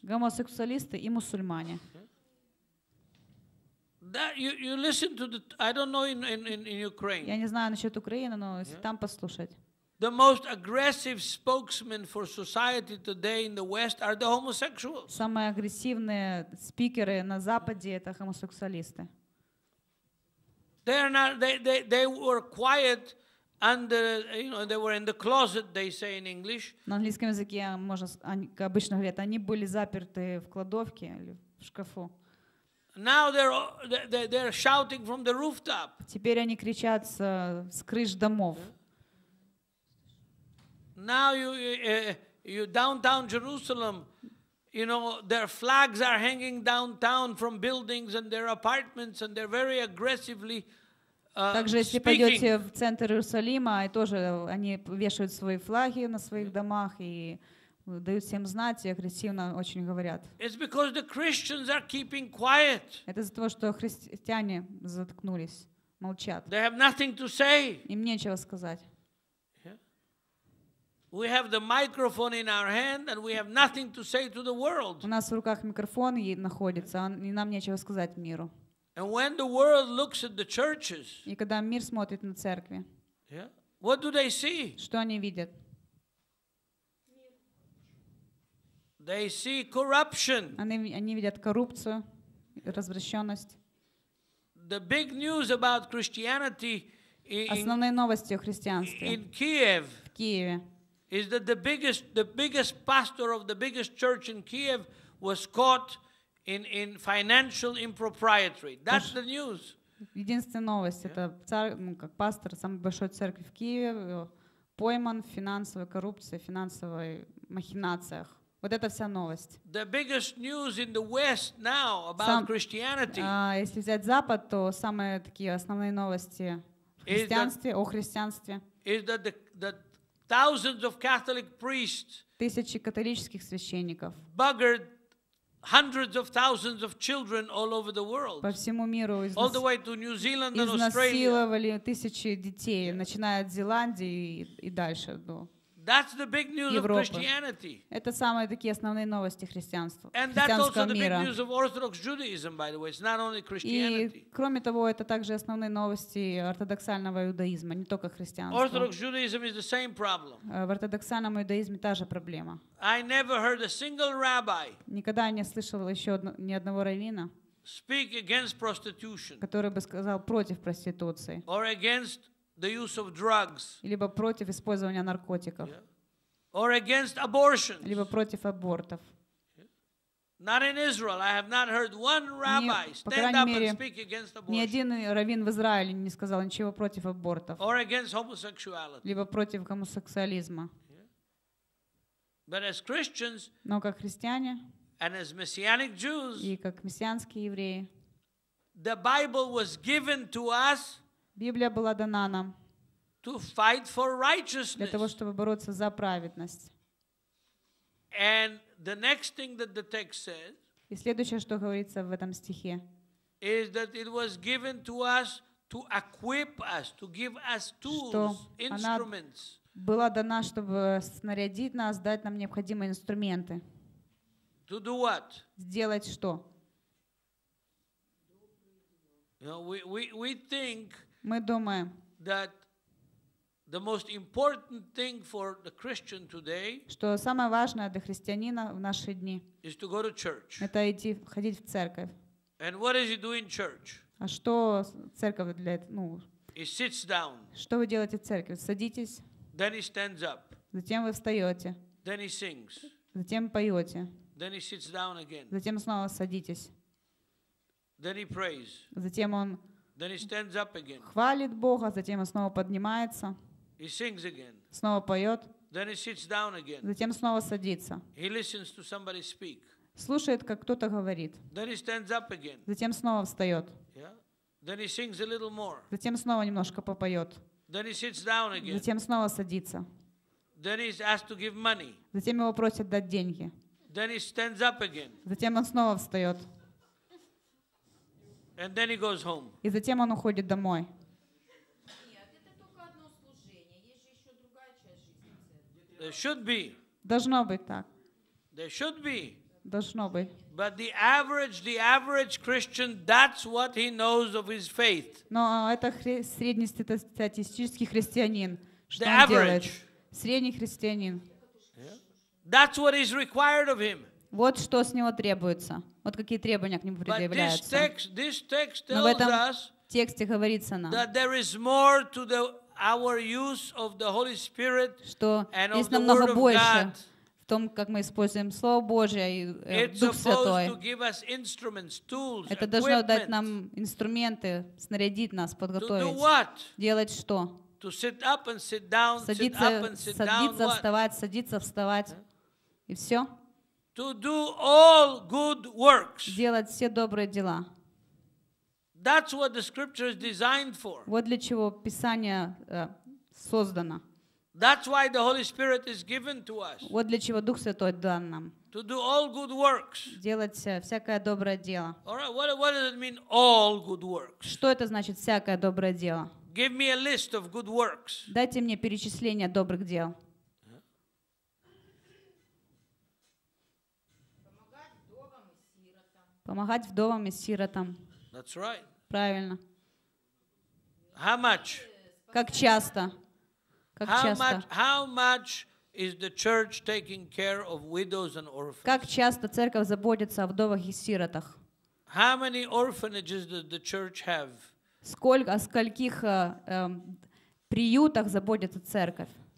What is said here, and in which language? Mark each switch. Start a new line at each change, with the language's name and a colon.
Russian: Гомосексуалисты и мусульмане.
English: That you listen to the I don't know in Ukraine.
Russian: Я не знаю насчёт Украины, но если там послушать.
English: The most aggressive spokesmen for society today in the West are the homosexuals.
Russian: Самые агрессивные спикеры на Западе это гомосексуалисты.
English: They were quiet under they were in the closet, they say in English.
Russian: На английском языке можно обычно говорят, они были заперты в кладовке или в шкафу.
English: Now they're shouting from the rooftop.
Russian: Теперь они кричат с крыш домов.
English: Now you downtown Jerusalem. You know, their flags are hanging downtown from buildings and their apartments and they're very aggressively speaking.
Russian: Также если пойдете в центр Иерусалима, и тоже они вешают свои флаги на своих домах и дают всем знать, и агрессивно очень говорят.
English: It's because the Christians are keeping quiet.
Russian: Это из-за того, что христиане заткнулись, молчат.
English: They have nothing to say.
Russian: Им нечего сказать.
English: We have the microphone in our hand and we have nothing to say to the world.
Russian: У нас в руках микрофон и находится, и нам нечего сказать миру.
English: And when the world looks at the churches.
Russian: И когда мир смотрит на церкви.
English: Yeah. What do they see?
Russian: Что они видят?
English: They see corruption.
Russian: Они видят коррупцию, развращённость.
English: The big news about Christianity
Russian: основные новости о христианстве.
English: In Kiev.
Russian: В Киеве.
English: Is that the biggest pastor of the biggest church in Kiev was caught in financial impropriety. That's the news.
Russian: Единственная новость это как пастор самой большой церкви в Киеве пойман в финансовой коррупции, финансовой махинациях. Вот это вся новость.
English: The biggest news in the West now about Christianity.
Russian: Если взять Запад, то самые такие основные новости христианстве, о христианстве.
English: Is that the thousands of Catholic priests.
Russian: Тысячи католических священников.
English: Buggered hundreds of thousands of children all over the world.
Russian: По всему миру.
English: All the way to New Zealand and Australia.
Russian: Изнасиловали тысячи детей, начиная от Зеландии и дальше до.
English: That's the big news
Russian: Европы.
English: Of Christianity.
Russian: Это самые такие основные новости христианства.
English: And that's also the big news of Orthodox Judaism, by the way. It's not only Christianity.
Russian: И кроме того, это также основные новости ортодоксального иудаизма, не только христианства.
English: Orthodox Judaism is the same problem.
Russian: В ортодоксальном иудаизме та же проблема.
English: I never heard a single rabbi.
Russian: Никогда не слышал еще ни одного раввина.
English: Speak against prostitution.
Russian: Который бы сказал против проституции.
English: Or against the use of drugs,
Russian: либо против использования наркотиков,
English: yeah, or against abortions,
Russian: либо против абортов.
English: Not in Israel. I have not heard one rabbi stand up and speak against abortion.
Russian: Ни один раввин в Израиле не сказал ничего против абортов.
English: Or against homosexuality.
Russian: Либо против гомосексуализма.
English: But as Christians,
Russian: но как христиане,
English: and as messianic Jews,
Russian: и как мессианские евреи,
English: the Bible was given to us,
Russian: Библия была дана нам,
English: to fight for righteousness,
Russian: для того чтобы бороться за праведность.
English: And the next thing that the text says,
Russian: и следующее, что говорится в этом стихе,
English: is that it was given to us to equip us, to give us tools, instruments.
Russian: Была дана, чтобы снарядить нас, дать нам необходимые инструменты.
English: To do what?
Russian: Сделать что?
English: You know, we think,
Russian: мы думаем,
English: that the most important thing for the Christian today,
Russian: что самое важное для христианина в наши дни,
English: is to go to church.
Russian: Это идти, ходить в церковь.
English: And what does he do in church?
Russian: А что церковь для этого? Ну,
English: he sits down.
Russian: Что вы делаете в церкви? Садитесь.
English: Then he stands up.
Russian: Затем вы встаете.
English: Then he sings.
Russian: Затем поете.
English: Then he sits down again.
Russian: Затем снова садитесь.
English: Then he prays.
Russian: Затем он
English: Then he stands up again.
Russian: Хвалит Бога, затем он снова поднимается.
English: He sings again.
Russian: Снова поет.
English: Then he sits down again.
Russian: Затем снова садится.
English: He listens to somebody speak.
Russian: Слушает, как кто-то говорит.
English: Then he stands up again.
Russian: Затем снова встает.
English: Yeah. Then he sings a little more.
Russian: Затем снова немножко попоет.
English: Then he sits down again.
Russian: Затем снова садится.
English: Then he's asked to give money.
Russian: Затем его просят дать деньги.
English: Then he stands up again.
Russian: Затем он снова встает.
English: And then he goes home.
Russian: И затем он уходит домой. Нет, это только одно служение. Есть же еще другая часть жизни.
English: There should be.
Russian: Должно быть так.
English: There should be.
Russian: Должно быть.
English: But the average Christian, that's what he knows of his faith.
Russian: Но это среднестатистический христианин. Что он делает? Средний христианин.
English: That's what is required of him.
Russian: Вот что с него требуется. Вот какие требования к нему предъявляются.
English: But this text tells us that there is more to the our use of the Holy Spirit and of the Word of God.
Russian: Что есть намного больше в том, как мы используем Слово Божие и Духа Святой. Что есть намного больше в том, как мы используем Слово Божие и Дух Святой.
English: To give us instruments, tools,
Russian: это должно дать нам инструменты, снарядить нас, подготовить.
English: To do what?
Russian: Делать что?
English: To sit up and sit down,
Russian: садиться,
English: sit up and sit
Russian: садиться,
English: down,
Russian: вставать,
English: what?
Russian: Садиться, вставать. И все.
English: To do all good works.
Russian: Делать все добрые дела.
English: That's what the scripture is designed for.
Russian: Вот для чего Писание создано.
English: That's why the Holy Spirit is given to us.
Russian: Вот для чего Дух Святой дан нам.
English: To do all good works.
Russian: Делать всякое доброе дело.
English: All right, what does it mean, all good works?
Russian: Что это значит всякое доброе дело?
English: Give me a list of good works.
Russian: Дайте мне перечисление добрых дел. Помогать вдовам и сиротам.
English: That's right.
Russian: Правильно.
English: How much?
Russian: Как часто? Как
English: how
Russian: часто?
English: How much is the church taking care of widows and orphans?
Russian: Как часто церковь заботится о вдовах и сиротах?
English: How many orphanages does the church have?
Russian: Сколько, о скольких приютах заботится церковь?